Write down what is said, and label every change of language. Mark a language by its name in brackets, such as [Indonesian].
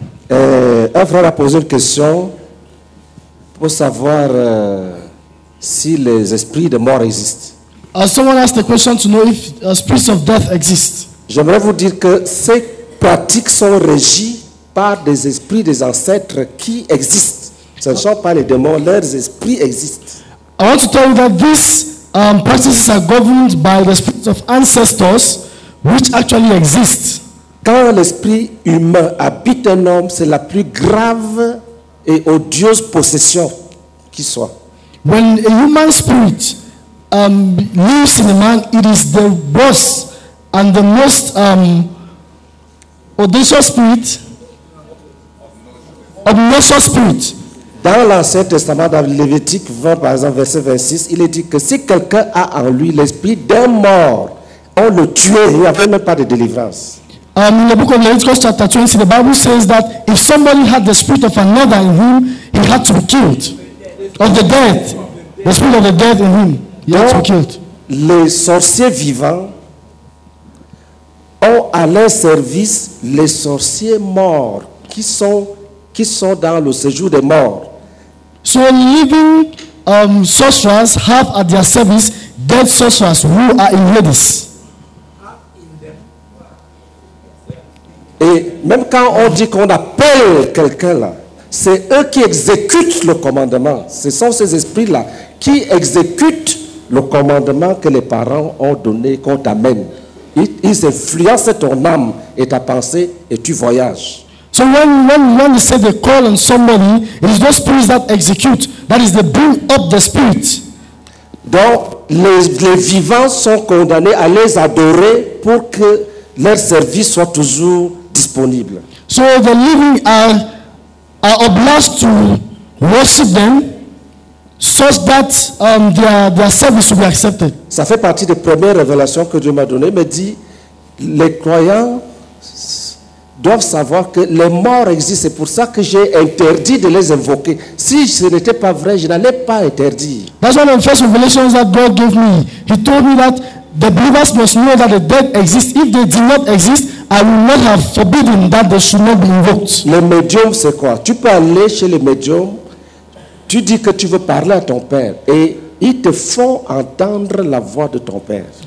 [French] Un frère a posé une question pour savoir si les esprits de mort existent. [English] Someone asked a question to know if spirits of death exist. [French] J'aimerais vous dire que ces pratiques sont régies par des esprits des ancêtres qui existent. Ce ne sont pas les démons, leurs esprits existent. [English] I want to tell you that this practices are governed by the spirits of ancestors which actually exist. [French] Quand l'esprit humain habite un homme, c'est la plus grave et odieuse possession qui soit. [English] When a human spirit lives in a man, it is the worst and the most obnoxious spirit. [French] Dans l'Ancien Testament, dans Lévitique 20, par exemple, verset 26, il est dit que si quelqu'un a en lui l'esprit d'un mort, on le tue, il n'y avait même pas de délivrance. [English] In the book of Leviticus, chapter 20, the Bible says that if somebody had the spirit of another in him, he had to be killed. Of the dead. The spirit of the dead in him, he had to be killed. [French] les sorciers vivants ont à leur service les sorciers morts qui sont dans le séjour des morts. [English] So living sorcerers have at their service dead sorcerers who are in Hades. [French] Et même quand on dit qu'on appelle quelqu'un là, c'est eux qui exécutent le commandement. Ce sont ces esprits là qui exécutent le commandement que les parents ont donné, qu'on t'amène. Ils influencent ton âme et ta pensée et tu voyages. [English] So when you say they call on somebody, it is those spirits that execute. That is the bring up the spirit. [French] Donc les vivants sont condamnés à les adorer pour que leur service soit toujours disponible. [English] So the living are obliged to worship them, such that their service will be accepted. [French] Ça fait partie des premières révélations que Dieu m'a donné. Mais dit les croyants doivent savoir que les morts existent. C'est pour ça que j'ai interdit de les invoquer. Si ce n'était pas vrai, je n'allais pas interdire. [English] That's one of the first revelations that God gave me. He told me that the believers must know that the dead exist. If they did not exist, I would not have forbidden that they should not be invoked. [French] Le médium, c'est quoi? Tu peux aller chez le médium, tu dis que tu veux parler à ton père, et ils te font entendre la voix de ton père.